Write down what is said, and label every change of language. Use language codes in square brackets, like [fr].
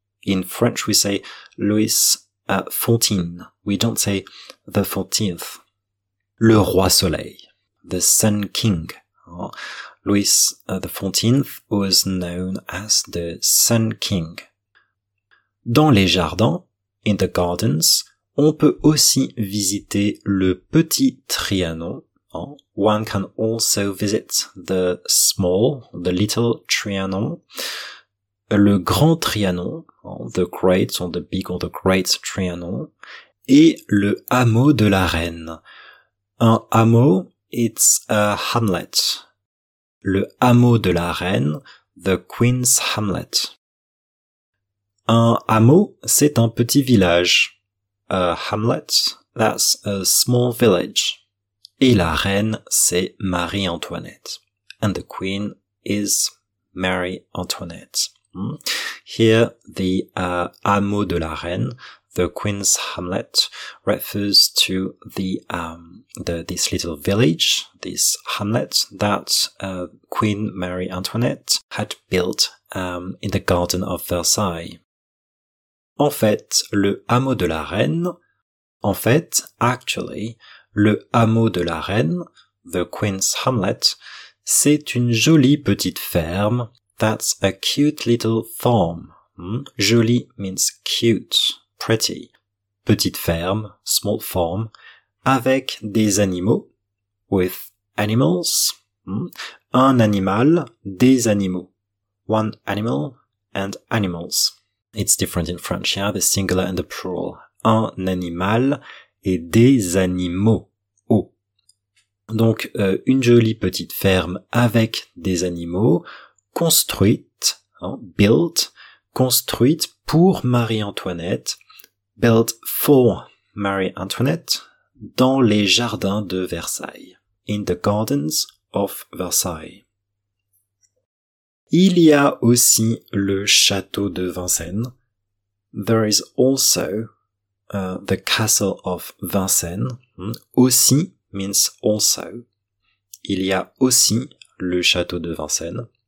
[en] In French, we say Louis Fontaine. We don't say the 14th. [fr] Le Roi Soleil, [en] the Sun King. Louis the 14th was known as the Sun King. [fr] Dans les jardins, [en] in the gardens, [fr] on peut aussi visiter le Petit Trianon. [en] One can also visit the small, the little Trianon. [fr] Le Grand Trianon, [en] the great or the big or the great Trianon. [fr] Et le Hameau de la Reine. Un hameau, [en] it's a hamlet. [fr] Le Hameau de la Reine, [en] the Queen's Hamlet. [fr] Un hameau, c'est un petit village. [en] A hamlet, that's a small village. [fr] Et la reine, c'est Marie-Antoinette. [en] And the queen is Marie-Antoinette. Here, the Hameau de la Reine, the Queen's Hamlet refers to this little village, this hamlet that Queen Marie Antoinette had built in the garden of Versailles. [fr] En fait, le hameau de la reine. En fait, [en] actually, [fr] le hameau de la reine, [en] the Queen's Hamlet, [fr] c'est une jolie petite ferme. [en] That's a cute little farm. Jolie means cute, pretty. [fr] Petite ferme, [en] small farm, [fr] avec des animaux, [en] with animals. [fr] Un animal, des animaux. [en] One animal and animals. It's different in French, yeah, the singular and the plural. [fr] Un animal et des animaux. Oh. Donc, une jolie petite ferme avec des animaux, construite, [en] built, [fr] construite pour Marie-Antoinette, [en] built for Marie-Antoinette, [fr] dans les jardins de Versailles, [en] in the gardens of Versailles. [fr] Il y a aussi le château de Vincennes. [en] There is also the castle of Vincennes. Aussi means also. [fr] Il y a aussi le château de Vincennes.